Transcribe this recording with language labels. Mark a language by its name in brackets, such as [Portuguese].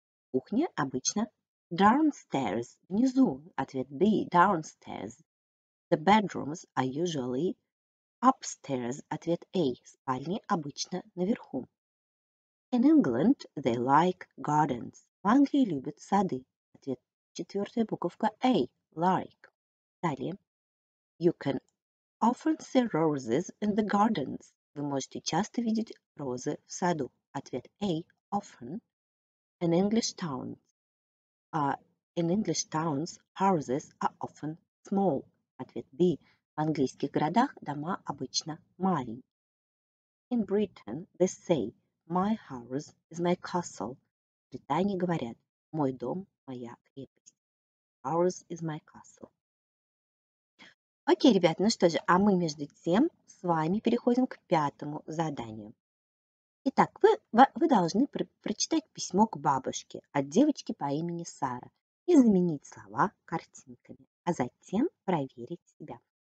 [Russian] кухня обычно, downstairs, внизу, ответ B, downstairs. [English] The bedrooms are usually upstairs. [Russian] Ответ A. Спальни обычно наверху. [English] In England they like gardens. [Russian] В Англии любят сады. Ответ четвертая буковка A. [English] Like. [Russian] Далее. [English] You can often see roses in the gardens. [Russian] Вы можете часто видеть розы в саду. Ответ A. Often. [English] In English towns. In English towns houses are often small. [Russian] Ответ B. В английских городах дома обычно маленькие. [English] In Britain they say, my house is my castle. [Russian] В Британии говорят, мой дом, моя крепость. [English] House is my castle. [Russian] Окей, ребята, ну что же, а мы между тем с вами переходим к пятому заданию. Итак, вы должны прочитать письмо к бабушке от девочки по имени Сара и заменить слова картинками, а затем проверить себя.